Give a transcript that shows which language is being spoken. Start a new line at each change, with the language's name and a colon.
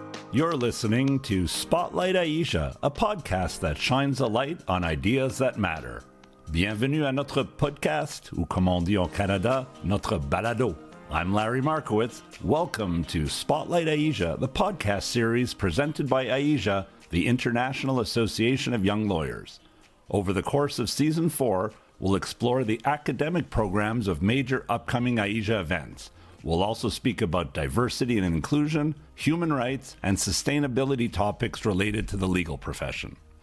English: You're listening to Spotlight Aïcha, a podcast that shines a light on ideas that matter.
French: Bienvenue à notre podcast, ou comme on dit au Canada, notre balado.
English: I'm Larry Markowitz. Welcome to Spotlight Aïcha, the podcast series presented by Aïcha, the International Association of Young Lawyers. Over the course of season four, we'll explore the academic programs of major upcoming Aïcha events. We'll also speak about diversity and inclusion, human rights, and sustainability topics related to the legal profession.